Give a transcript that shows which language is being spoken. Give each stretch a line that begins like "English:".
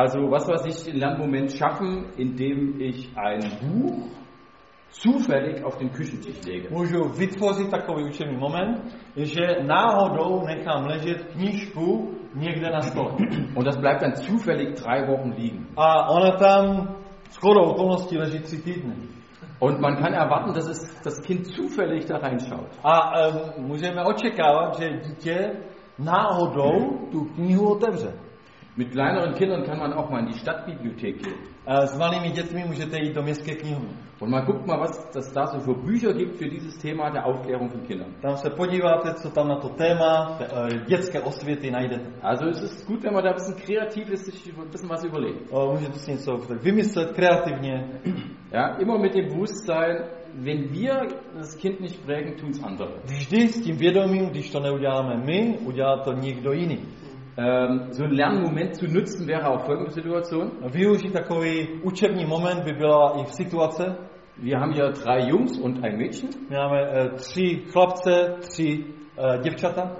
German: Was ich in Lernmoment schaffen, indem ich ein Buch zufällig auf den Küchentisch lege.
Czech: Můžu vytvořit takový učební moment, že náhodou nechám ležet knížku někde na stole.
German: Und das bleibt dann zufällig 3 Wochen liegen.
Czech: A ona tam skoro okolností leží 3 týdny.
German: Und man kann erwarten, dass es das Kind zufällig da reinschaut.
Czech: A můžeme očekávat, že dítě náhodou tu knihu otevře.
German: Mit kleineren Kindern kann man auch mal in die Stadtbibliothek gehen.
Czech: S malými dětmi můžete jít do městské knihovny.
German: Und man guckt mal, was das da so für Bücher gibt für dieses Thema der Aufklärung von Kindern.
Czech: Tam se podíváte, co tam na to téma dětské osvěty najdete.
German: Also es ist gut, wenn man da ein bisschen kreativ ist, sich ein bisschen was überlegt.
Czech: Můžete si něco vymyslet kreativně.
German: Ja, immer mit dem Bewusstsein, wenn wir das Kind nicht prägen, tun es andere.
Czech: Vždy s tím vědomím, když to neuděláme my, udělá to někdo jiný.
German: So ein Lernmoment zu nutzen wäre auch folgende Situation.
Czech: Využít takový učební moment by byla i v situace.
German: Wir haben hier 3 Jungs und ein Mädchen.
Czech: My máme 3 chlapce, 3 děvčata.